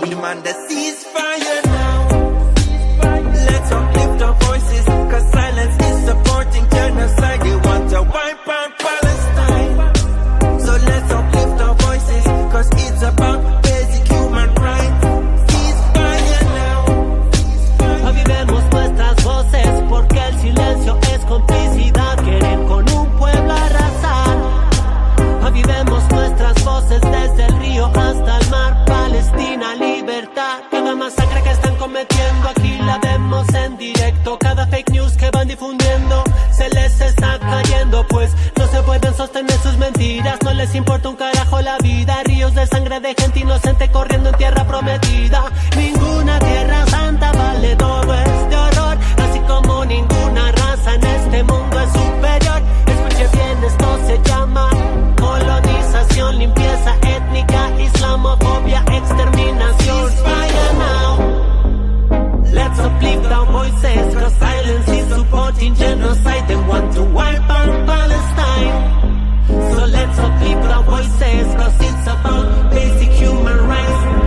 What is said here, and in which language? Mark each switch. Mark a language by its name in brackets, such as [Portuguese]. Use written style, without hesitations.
[English] We demand a ceasefire now. Let's uplift our voices, cause silence is supporting genocide. They want to wipe out Palestine. So let's uplift our voices, cause it's about basic human rights. Ceasefire now. [Spanish] Avivemos nuestras voces, porque el silencio es complicidad. Quieren con un pueblo arrasar. Avivemos nuestras voces desde el río hasta el mar. Palestina, libertad. Cada masacre que están cometiendo aquí la vemos en directo. Cada fake news que van difundiendo se les está cayendo, pues no se pueden sostener sus mentiras. No les importa un carajo la vida. Ríos de sangre de gente inocente corriendo en tierra prometida. Ninguna tierra santa vale todo este horror, así como ninguna raza en este mundo es superior. Escuche bien, esto se llama colonización, limpieza étnica, islamofobia, exterminación. [English] Let's uplift our voices, cause silence is supporting genocide. They want to wipe out Palestine. So let's uplift our voices, cause it's about basic human rights.